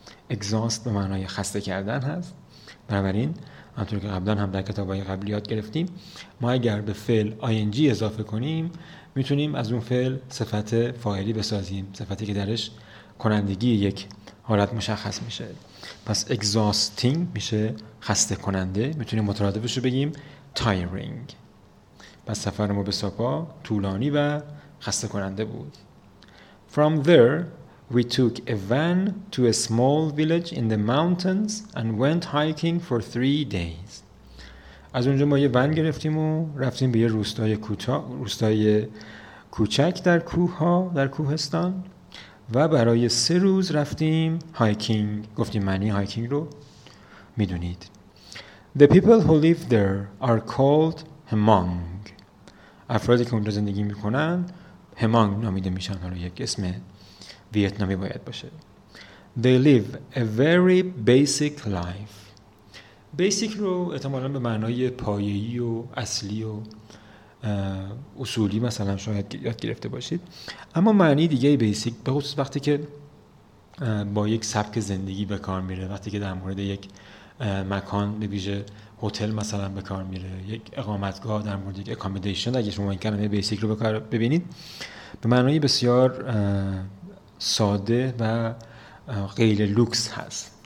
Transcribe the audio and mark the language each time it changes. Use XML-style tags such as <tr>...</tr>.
<fa>exhaust به معنای خسته کردن هست. بنابراین همونطور که قبلا هم در کتاب‌های قبلی یاد گرفتیم، ما اگر به فعل ing اضافه کنیم میتونیم از اون فعل صفت فاعلی بسازیم، صفتی که درش کنندگی یک حالت مشخص میشه. پس exhausting میشه خسته کننده، میتونیم مترادفش رو بگیم tiring. پس سفر ما به ساپا طولانی و خسته کننده بود.</fa> <en>From there we took a van to a small village in the mountains and went hiking for 3 days.</en> <fa>از اونجا ما یه ون گرفتیم و رفتیم به یه روستای کوچک در کوه ها، در کوهستان، و برای 3 روز رفتیم هایکینگ. گفتیم معنی هایکینگ رو میدونید.</fa> <en>The people who live there are called Hmong.</en> <fa>افرادی که اونجا زندگی میکنن Hmong نامیده میشن، حالا یک اسم ویتنامی باید باشه.</fa> <en>They live a very basic life.</en> <fa>basic رو احتمالاً به معنای پایه‌ای و اصلی و اصولی مثلا شاید یاد گرفته باشید، اما معنی دیگه بیسیک به خصوص وقتی که با یک سبک زندگی به کار میره، وقتی که در مورد یک مکان به ویژه هتل مثلا به کار میره، یک اقامتگاه، در مورد یک اکامدیشن، اگه شما این کلمه بیسیک رو به کار ببینید، به معنای بسیار ساده و غیر لوکس هست.</fa>